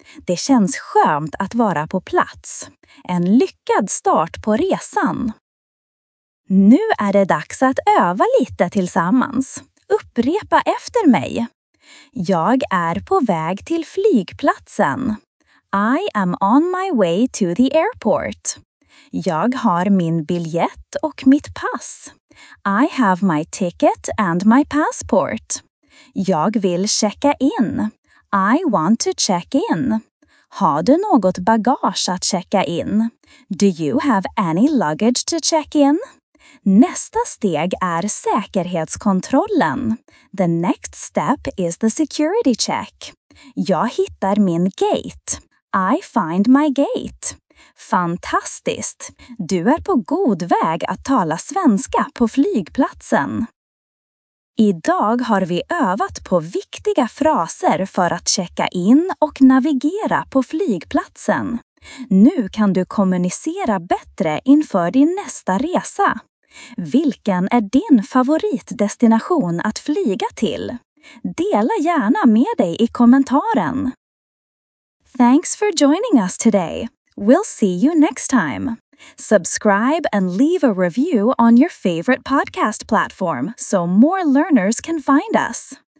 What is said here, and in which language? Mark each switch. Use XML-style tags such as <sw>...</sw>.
<sv>Det känns skönt att vara på plats. En lyckad start på resan. Nu är det dags att öva lite tillsammans. Upprepa efter mig. Jag är på väg till flygplatsen.</sv> <en>I am on my way to the airport.</en> <sv>Jag har min biljett och mitt pass.</sv> <en>I have my ticket and my passport.</en> <sv>Jag vill checka in.</sv> <en>I want to check in.</en> <sv>Har du något bagage att checka in?</sv> <en>Do you have any luggage to check in?</en> <sv>Nästa steg är säkerhetskontrollen.</sv> <en>The next step is the security check.</en> <sv>Jag hittar min gate.</sv> <en>I find my gate. Fantastiskt!</en> <sv>Du är på god väg att tala svenska på flygplatsen. Idag har vi övat på viktiga fraser för att checka in och navigera på flygplatsen. Nu kan du kommunicera bättre inför din nästa resa. Vilken är din favoritdestination att flyga till? Dela gärna med dig i kommentaren.</sv> <en>Thanks for joining us today. We'll see you next time. Subscribe and leave a review on your favorite podcast platform so more learners can find us.</en>